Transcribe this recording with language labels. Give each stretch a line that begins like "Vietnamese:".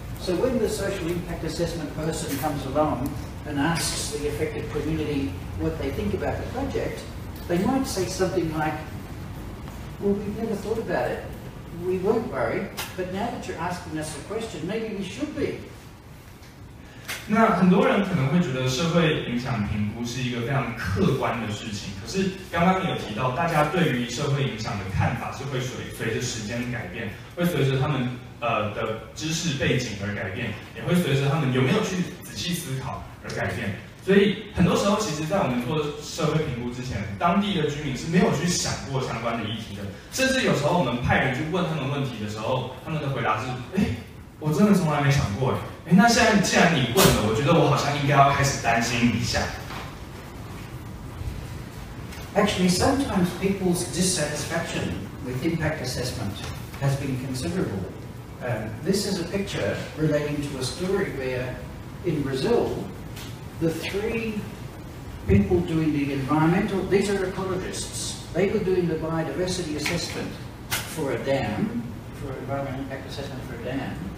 English: So when the social impact assessment person comes along and asks the affected community what they think about the project, they might say something like, well, we've never thought about it. We weren't worried, but now that you're asking us a question, maybe we should be.
Chinese: 那很多人可能会觉得社会影响评估是一个非常客观的事情，可是刚刚你有提到大家对于社会影响的看法是会随着时间改变，会随着他们的知识背景而改变，也会随着他们有没有去仔细思考而改变。所以很多时候其实在我们做社会评估之前，当地的居民是没有去想过相关的议题的，甚至有时候我们派人去问他们问题的时候，他们的回答是我真的从来没想过哎，那现在既然你问了，我觉得我好像应该要开始担心一下。
English: Actually, sometimes people's dissatisfaction with impact assessment has been considerable. This is a picture relating to a story where, in Brazil, the three people doing the environmental, these are ecologists, they were doing the biodiversity assessment for a dam, for environmental impact assessment for a dam.